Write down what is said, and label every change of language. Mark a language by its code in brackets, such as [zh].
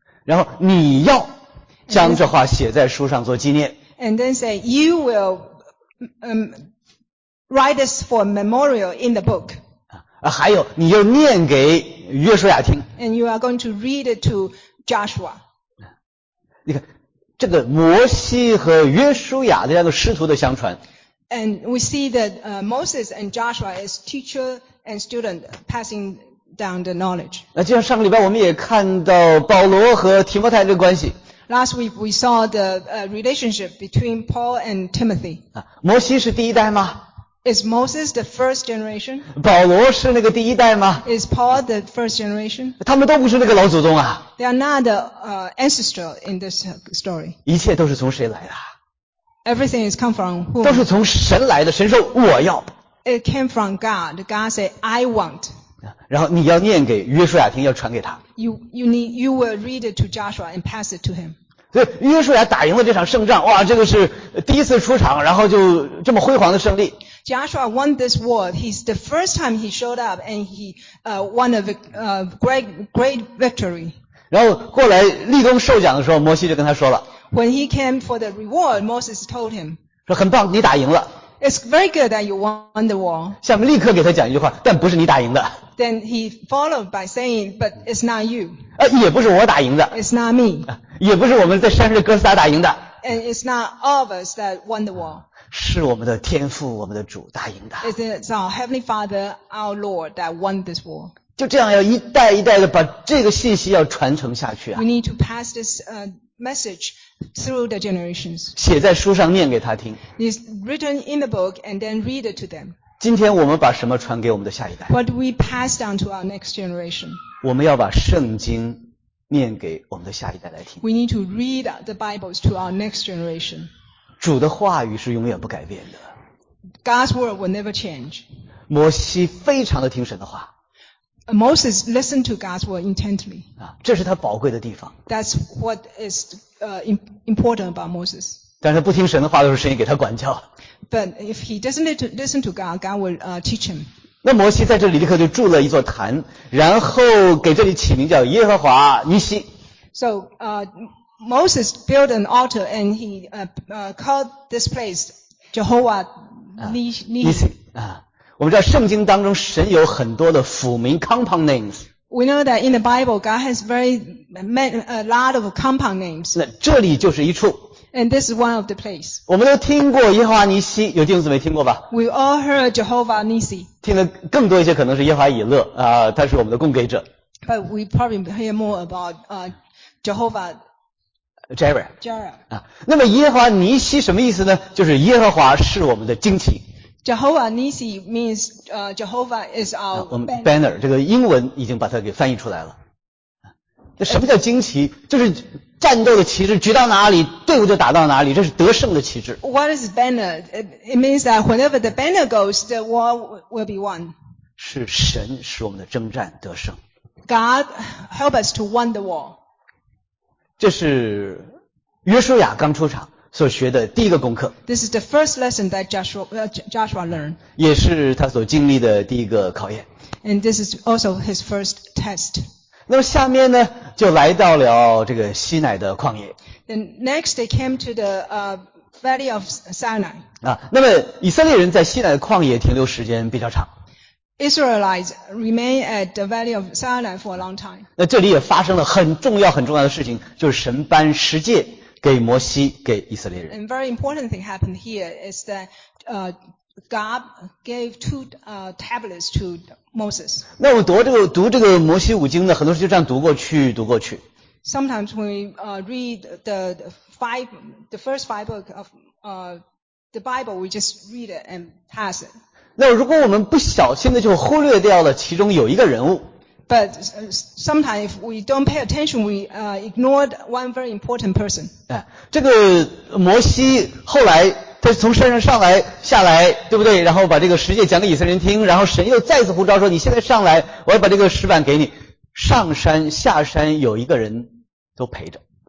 [zh] 然后你要将这话写在书上做纪念。 [en] And then say, you will write this for a memorial in the book. [zh] 还有你要念给约书亚听。 [en] And you are going to read it to Joshua. [zh] 你看这个摩西和约书亚这样的师徒的相传。 [en] And we see that Moses and Joshua is teacher and student passing down the knowledge. [zh] 那就像上个礼拜我们也看到保罗和提摩太这个关系。 [en] Last week we saw the relationship between Paul and Timothy. [zh] 摩西是第一代吗？ [en] Is Moses the first generation? [zh] 保罗是那个第一代吗？ [en] Is Paul the first generation? [zh] 他们都不是那个老祖宗啊。 [en] They are not the ancestral in this story. [zh] 一切都是从谁来的？ [en] Everything is come from whom? [zh] 都是从神来的，神说我要。 [en] It came from God. God said, I want. [zh] 然后你要念给约书亚听，要传给他。 [en] You will read it to Joshua and pass it to him. [zh] 所以约书亚打赢了这场胜仗，哇，这个是第一次出场，然后就这么辉煌的胜利。 [en] Joshua won this war. He's the first time he showed up and he won a great victory. [zh] 然后过来立功受奖的时候，摩西就跟他说了。 [en] When he came for the reward, Moses told him. [zh] 说很棒，你打赢了。 [en] It's very good that you won the war. [zh] 下面立刻给他讲一句话，但不是你打赢的。 [en] Then he followed by saying, but it's not you. [zh] 也不是我打赢的。 [en] It's not me. [zh] 也不是我们在山上哥斯达打赢的。 [en] And it's not all of us that won the war. [zh] 是我们的天父，我们的主打赢的。 [en] It's our Heavenly Father, our Lord, that won this war. [zh] 就这样要一代一代的把这个信息要传承下去啊。 [en] We need to pass this message through the generations. [zh] 写在书上念给他听。 [en] It's written in the book and then read it to them. [zh] 今天我们把什么传给我们的下一代？ [en] What do we pass down to our next generation? [zh] 我们要把圣经念给我们的下一代来听。 [en] We need to read the Bibles to our next generation. [zh] 主的话语是永远不改变的。 [en] God's word will never change. [zh] 摩西非常的听神的话。 [en] Moses listened to God's word intently. [zh] 这是他宝贵的地方。 [en] That's what is important about Moses. [zh] 但是他不听神的话的时候，神也给他管教。 [en] But if he doesn't listen to God, God will teach him. [zh] 那摩西在这里立刻就筑了一座坛，然后给这里起名叫耶和华尼西。 [en] So, Moses built an altar and he called this place Jehovah Nissi. [zh] 啊，我们知道圣经当中神有很多的辅名 [en] compound names。 We know that in the Bible, God has very many a lot of compound names. [zh] 那这里就是一处。 [en] And this is one of the places. [zh] 我们都听过耶和华尼西，有弟兄姊妹听过吧 [en] ？We all heard Jehovah Nissi. [zh] 听得更多一些，可能是耶和华以勒啊，他是我们的供给者。 [en] But we probably hear more about Jehovah. Jireh. Jireh. [zh] 啊，那么耶和华尼西什么意思呢？就是耶和华是我们的旌旗。 [en] Jehovah Nissi means Jehovah is our banner. [zh] Banner 这个英文已经把它给翻译出来了。那什么叫旌旗？就是战斗的旗帜，举到哪里，队伍就打到哪里，这是得胜的旗帜。 [en] What is banner? It means that whenever the banner goes, the war will be won. [zh] 是神使我们的征战得胜。 [en] God help us to win the war. [zh] 这是约书亚刚出场。所学的第一个功课。 [en] This is the first lesson that Joshua learned. [zh] 也是他所经历的第一个考验。 [en] And this is also his first test. [zh] 那么下面呢，就来到了这个西乃的旷野。 [en] Then next they came to the valley of Sinai. [zh] 啊，那么以色列人在西乃的旷野停留时间比较长。 [en] Israelites remain at the valley of Sinai for a long time. [zh] 那这里也发生了很重要很重要的事情，就是神颁十诫。给摩西给以色列人。 [en] And very important thing happened here is that God gave two tablets to Moses. [zh] 那我读这个摩西五经呢，很多时候就这样读过去读过去。 [en] Sometimes we read the first five book of the Bible, we just read it and pass it. [zh] 那如果我们不小心的就忽略掉了其中有一个人物。 [en] But sometimes if we don't pay attention, we ignored one very important person. [zh] 这个摩西后来他从山上上来下来，对不对？然后把这个十诫讲给以色列人听，然后神又再次呼召说：“你现在上来，我要把这个石板给你。” 上山下山有一个人都陪着。